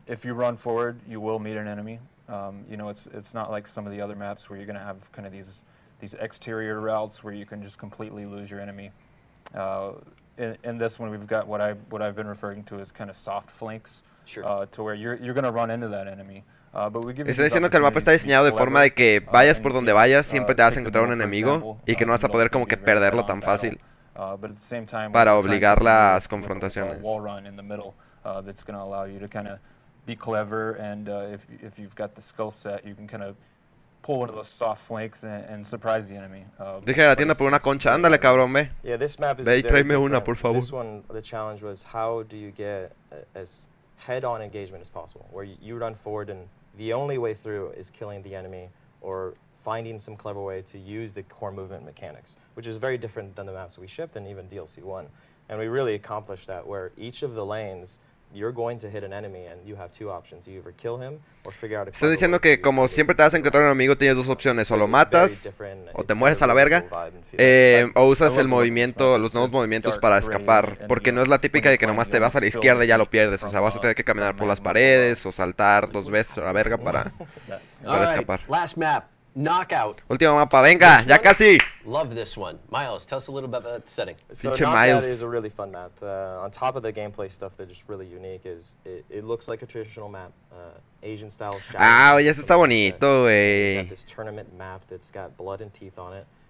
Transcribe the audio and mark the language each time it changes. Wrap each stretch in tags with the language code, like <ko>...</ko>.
<en>If you run forward, you will meet an enemy. You know, it's not like some of the other maps where you're going to have kind of these exterior routes where you can just completely lose your enemy. In this one, we've got what I've been referring to as kind of soft flanks. Sure. To where you're going to run into that enemy.</en> <es>Está diciendo que el mapa está diseñado de forma de que vayas por donde vayas, siempre te vas a encontrar un enemigo y que no vas a poder como que perderlo tan fácil para obligar las confrontaciones.</es> <en>That's going to allow you to kind of be clever, and if you've got the skill set, you can kind of pull one of those soft flanks and surprise the enemy.</en> <es>Dije a la tienda por una concha, ándale cabrón, ve.</es> <en>Yeah, this map is</en> <es>ve y tráeme una, por favor.</es> <en>This one, the challenge was how do you get as head-on engagement as possible, where you run forward and the only way through is killing the enemy or finding some clever way to use the core movement mechanics, which is very different than the maps we shipped and even DLC 1. And we really accomplished that, where each of the lanes, you're going to hit an enemy and you have two options. You either kill him or figure out a clever way.</en> <es>Diciendo que como siempre te vas a encontrar un enemigo, tienes dos opciones, o lo matas, o te mueres a la verga, o usas el movimiento, los nuevos movimientos para escapar, porque no es la típica de que nomás te vas a la izquierda y ya lo pierdes, o sea, vas a tener que caminar por las paredes, o saltar dos veces a la verga para escapar.</es> <en>Last map. Knockout.</en> <es>Último mapa, venga, ya casi.</es> <en>Love this one. Miles, tell us a little bit about the setting. So Knockout Miles is a really fun map. On top of the gameplay stuff that's just really unique is it looks like a traditional map, Asian style.</en> <es>Oye, eso está bonito, güey.</es> <en>This tournament map that's got blood and teeth on it.</en>